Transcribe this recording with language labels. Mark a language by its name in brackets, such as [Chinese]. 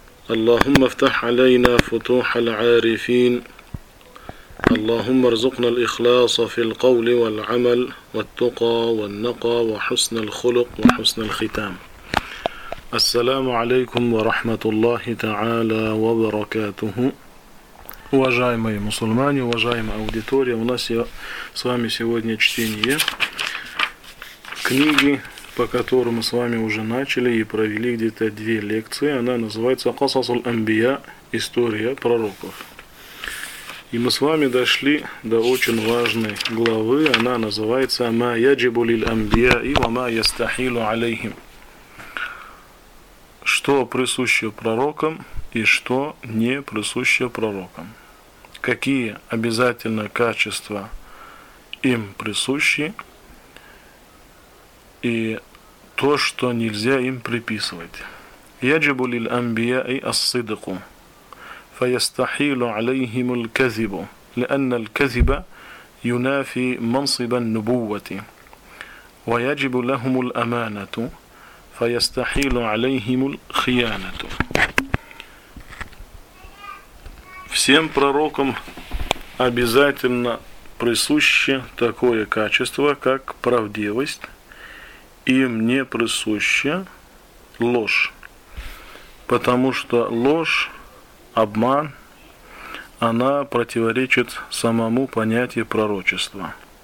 [Arabic] اللهم افتح علينا فتوح العارفين اللهم ارزقنا الإخلاص في القول والعمل والتقى والنقى وحسن الخلق وحسن الختام السلام عليكم ورحمة الله تعالى وبركاته [Russian] Уважаемые мусульмане, уважаемая аудитория, у нас с вами сегодня чтение книги, по которой мы с вами уже начали и провели где-то две лекции. Она называется «Qasas al-Anbiya» – «История пророков». И мы с вами дошли до очень важной главы. Она называется «Ма яджибу лил амбия и ва ма ястахилу алейхим». Что присуще пророкам и что не присуще пророкам. Какие обязательно качества им присущи и то, что нельзя им приписывать. «Яджибу лил амбия и ас-сидку». [Arabic] فيستحيل عليهم الكذب لأن الكذب ينافي منصب النبوة ويجب لهم الأمانة فيستحيل عليهم الخيانة. [Russian] Всем пророкам обязательно присуще такое качество, как правдивость, им не присуще ложь, потому что ложь, обман, она противоречит самому понятию пророчества.